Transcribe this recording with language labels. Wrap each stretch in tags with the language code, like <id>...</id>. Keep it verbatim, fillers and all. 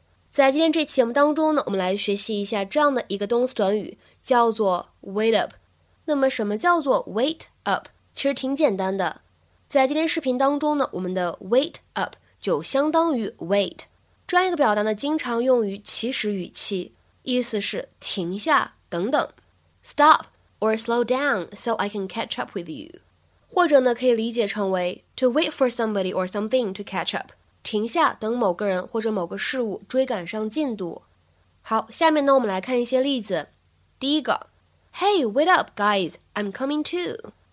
<zh>在今天这期节目当中呢，我们来学习一下这样的一个动词短语，叫做 wait up。那么什么叫做 wait up？ 其实挺简单的。在今天视频当中呢，我们的 wait up 就相当于 wait。这样一个表达呢，经常用于祈使语气，意思是停下。</zh> <en>等等 Stop or slow down so I can catch up with you.</en> <zh>或者呢可以理解成为</zh> <en>to wait for somebody or something to catch up.</en> <zh>停下等某个人或者某个事物追赶上进度。好，下面呢我们来看一些例子。第一个</zh> <en>Hey, wait up guys, I'm coming too.</en>